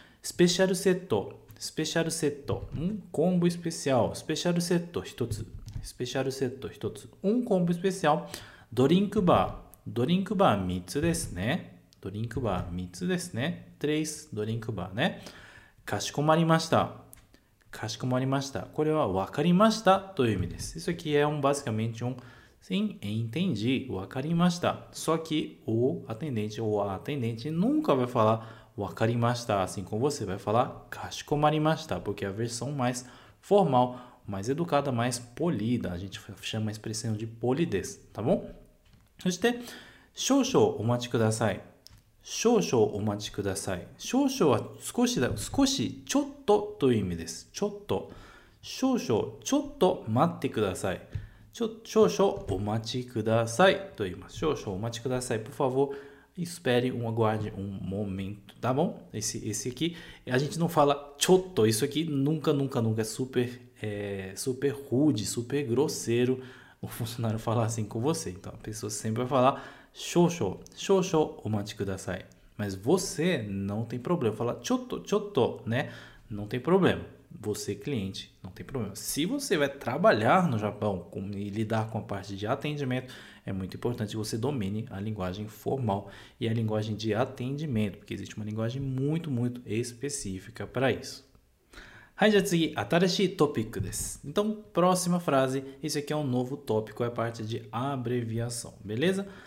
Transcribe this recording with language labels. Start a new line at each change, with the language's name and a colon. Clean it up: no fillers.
Japanese: Special Seto. Special Seto,
Portuguese: um combo especial.
Japanese: Special Seto, 1つ.Special Seto, 1つ.
Portuguese: Um combo especial.
Japanese: Drink bar, 3つですね。 Drink bar, 3つですね。 3 drink bar ね。かしこまりました。かしこまりました。これはわかりましたという意味です。
Portuguese: Isso aqui é basicamente sim, entendi,
Japanese: わかりました。
Portuguese: Só que o atendente ou a atendente nunca vai falar
Japanese: わかりました、
Portuguese: assim como você vai falar
Japanese: かしこまりました、
Portuguese: porque é a versão mais formal, mais educada, mais polida. A gente chama a expressão de polidez, tá bom?
Japanese: そして、少々お待ちください。少々お待ちください。少々は少しだ、少し、ちょっとという意味です。ちょっと。少々、ちょっと待ってください。少々お待ちくださいと言います。少々お待ちください。
Portuguese: Por favor, espere um aguarde um momento, tá bom? Esse aqui, a gente não fala
Japanese: ちょっと。
Portuguese: Isso aqui nunca, nunca, nunca super rude, super grosseiro. O funcionário falar assim com você. Então, a pessoa sempre vai falar
Japanese: shoshou, shoshou, omachi kudasai.
Portuguese: Mas você não tem problema. Falar chotto, chotto, né? Não tem problema. Você, cliente, não tem problema. Se você vai trabalhar no Japão e lidar com a parte de atendimento, é muito importante que você domine a linguagem formal e a linguagem de atendimento, porque existe uma linguagem muito, muito específica para isso.
Japanese: はい、じゃあ次、新しいトピックです。
Portuguese: Então, próxima frase. Esse aqui é um novo tópico, é a parte de abreviação, beleza?